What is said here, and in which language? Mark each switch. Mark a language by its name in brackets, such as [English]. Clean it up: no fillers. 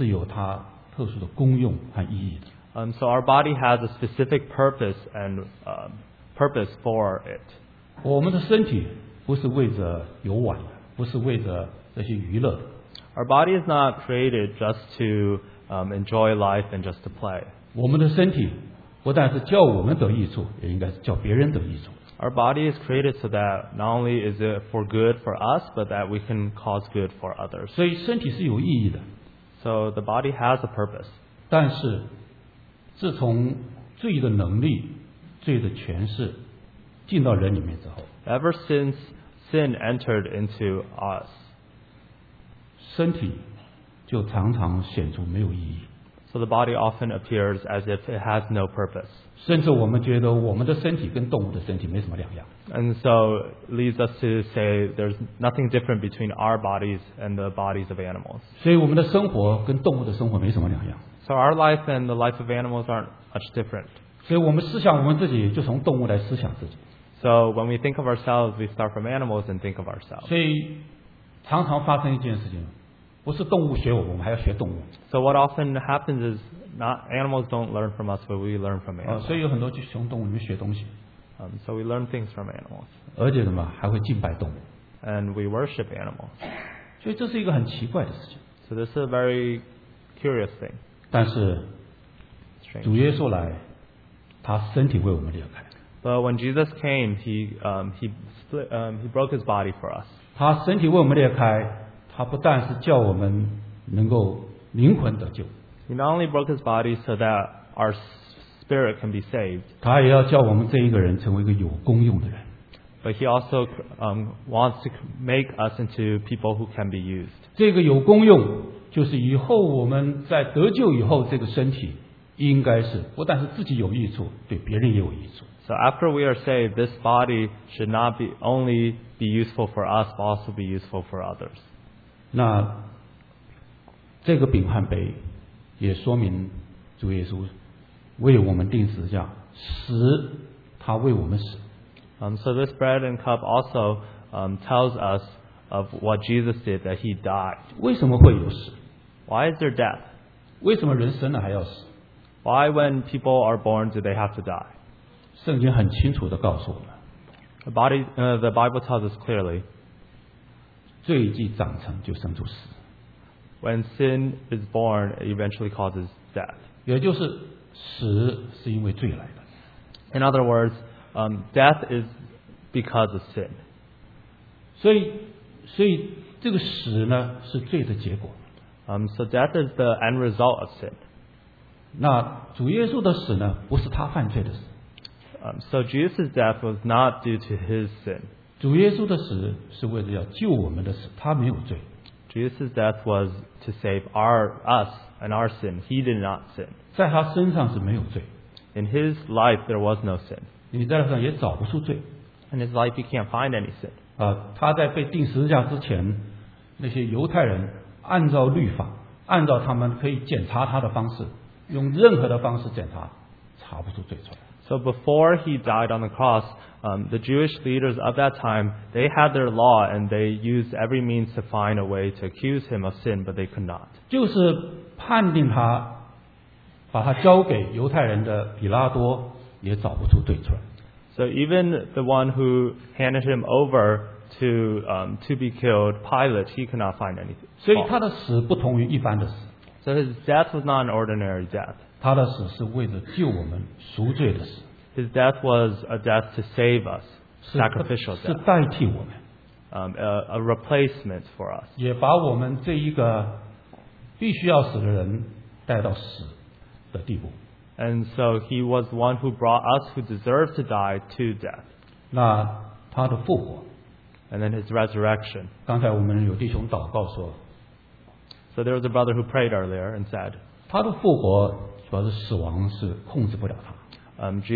[Chinese] 也就是我们的身体是有它特殊的功用和意义的。 [English] So our body has a specific purpose and purpose for it. [Chinese] 我们的身体不是为着游玩，不是为着这些娱乐。 [English] Our body is not created just to enjoy life and just to play. [Chinese] 我们的身体不但是叫我们得益处，也应该是叫别人得益处。 [English] Our body is created so that not only is it for good for us, but that we can cause good for others. [Chinese] 所以身体是有意义的。 [English] So the body has a purpose. [Chinese] 但是 自从罪的能力、罪的权势进到人里面之后， [English] ever since sin entered into us, [Chinese] 就常常显出没有意义。 [English] So the body often appears as if it has no purpose. [Chinese] 甚至我们觉得我们的身体跟动物的身体没什么两样。 [English] And so leads us to say there's nothing different between our bodies and the bodies of animals. [Chinese] 所以我们的生活跟动物的生活没什么两样。 [English] So our life and the life of animals aren't much different. [Chinese] 所以我们思想我们自己就从动物来思想自己。 [English] So when we think of ourselves, we start from animals and think of ourselves. [Chinese] 所以常常发生一件事情。不是动物学我们，我们还要学动物。 [English] So what often happens is not animals don't learn from us, but we learn from animals. [Chinese] 所以有很多就从动物里面学东西。 [English] So we learn things from animals. [Chinese] 而且什么，还会敬拜动物。 [English] And we worship animals. [Chinese] 所以这是一个很奇怪的事情。 [English] So this is a very curious thing. [Chinese] 但是主耶稣来，他身体为我们裂开。 But when Jesus came, he broke his body for us. 他身体为我们裂开。他不但是叫我们能够灵魂得救 [English] He not only broke his body so that our spirit can be saved [Chinese] 他也要叫我们这一个人成为一个有功用的人 [English] But he also wants to make us into people who can be used [Chinese] 这个有功用就是以后我们在得救以后这个身体应该是不但是自己有益处对别人也有益处 [English] So after we are saved this body should not be only be useful for us but also be useful for others [Chinese] 那这个饼和杯也说明主耶稣为我们钉十字架，死他为我们死。 [English] So this bread and cup also tells us of what Jesus did that he died. [Chinese] 为什么会有死 [English] ？Why is there death？ [Chinese] 为什么人生了还要死 [English] ？Why when people are born do they have to die？ [Chinese] 圣经很清楚地告诉我们 [English] The Bible tells us clearly. [Chinese] 罪既长成就生出死。 [English] When sin is born, it eventually causes death. [Chinese] 也就是死是因为罪来的。 [English] In other words, death is because of sin. [Chinese] 所以这个死呢是罪的结果。 [English] So death is the end result of sin. [Chinese] 那主耶稣的死呢不是他犯罪的死。 [English] So Jesus' death was not due to his sin. [Chinese] 主耶稣的死是为了要救我们的死，他没有罪。 [English] Jesus' death was to save us and our sin. He did not sin. [Chinese] 在他身上是没有罪。 [English] In his life, there was no sin. [Chinese] 你在他身上也找不出罪。 [English] In his life, you can't find any sin. [Chinese] 他在被钉十字架之前，那些犹太人按照律法，按照他们可以检查他的方式，用任何的方式检查，查不出罪出来。 [English] So before he died on the cross, the Jewish leaders of that time, they had their law and they used every means to find a way to accuse him of sin, but they could not. [Chinese] 就是判定他，把他交给犹太人的比拉多，也找不出罪出来。 [English] So even the one who handed him over to be killed, Pilate, he could not find anything. [Chinese] 所以他的死不同于一般的死。 [English] So his death was not an ordinary death. [Chinese] 他的死是为了救我们赎罪的死。 [English] His death was a death to save us, sacrificial death. [Chinese] 是代替我们。 [English] A replacement for us. [Chinese] 也把我们这一个必须要死的人带到死的地步。 [English] And so he was the one who brought us who deserved to die to death. [Chinese] 那他的复活。 [English] And then his resurrection. [Chinese] 刚才我们有弟兄祷告说。 [English] So there was a brother who prayed earlier and said, [Chinese] 他的复活主要是死亡是控制不了他。